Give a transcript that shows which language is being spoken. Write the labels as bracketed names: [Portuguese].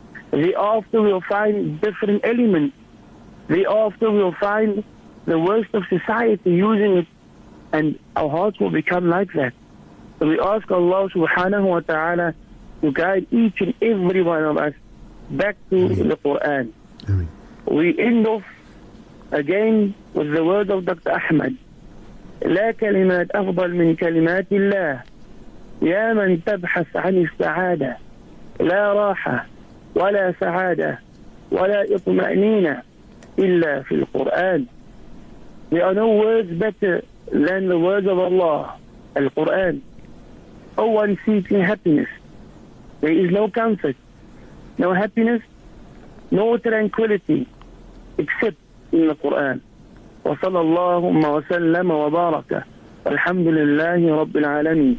[English] Thereafter we'll find different elements. Thereafter we'll find the worst of society using it, and our hearts will become like that. So we ask Allah subhanahu wa ta'ala to guide each and every one of us back to the Quran. We end off again with the word of Dr. Ahmad. [Arabic] لا كلمات أفضل من كلمات الله يا من تبحث عن السعادة لا راحة ولا سعادة ولا إطمأنينة إلا في القرآن. [English] There are no words better than the words of Allah, Al-Quran. No one seeking happiness. There is no comfort, no happiness, no tranquility, except in the Quran. [Arabic] وصلى الله وسلم وبارك الحمد لله رب العالمين.